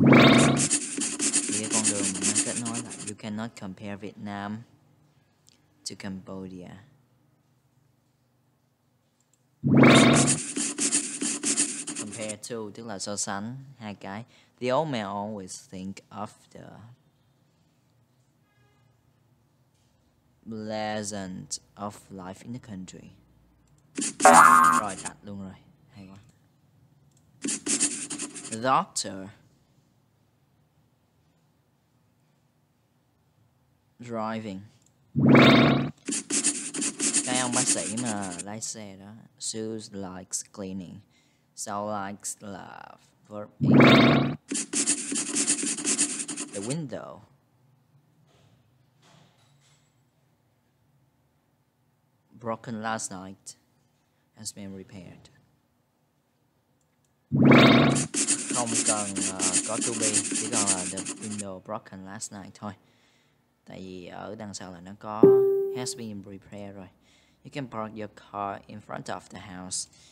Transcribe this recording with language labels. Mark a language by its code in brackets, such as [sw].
[vi] Cái con đường mà nó kết nối là [en] you cannot compare Vietnam to Cambodia. [vi] Compare to, tức là so sánh hai cái. [en] The old man always think of the pleasant of life in the country. [vi] Rồi, đặt luôn rồi. Hay quá. [en] The doctor driving. [vi] Cái ông bác sĩ mà lái xe đó. [en] Sue likes cleaning. Sau likes là verb. The window. Broken last night. Has been repaired. [vi] Không cần có to be. Chỉ cần là [en] the window broken last night [vi] thôi. Tại vì ở đằng sau là nó có [en] has been repaired [vi] rồi. [en] You can park your car in front of the house.